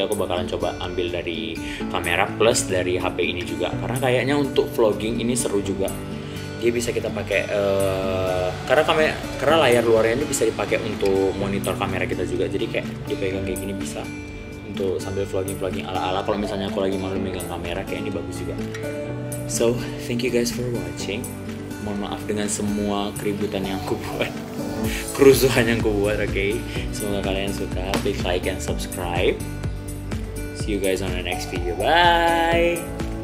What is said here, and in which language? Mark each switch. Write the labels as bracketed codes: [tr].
[id] Aku bakalan coba ambil dari kamera plus dari HP ini juga, karena kayaknya untuk vlogging ini seru juga. Dia bisa kita pakai karena layar luarnya ini bisa dipakai untuk monitor kamera kita juga. Jadi kayak dipegang kayak gini bisa untuk sambil vlogging ala-ala kalau misalnya aku lagi malu megang kamera, kayak ini bagus juga. [en] So, thank you guys for watching. [id] Mohon maaf dengan semua keributan yang aku buat. Kerusuhan yang aku buat, oke. Okay? Semoga kalian suka. [en] Please like and subscribe. See you guys on the next video. Bye.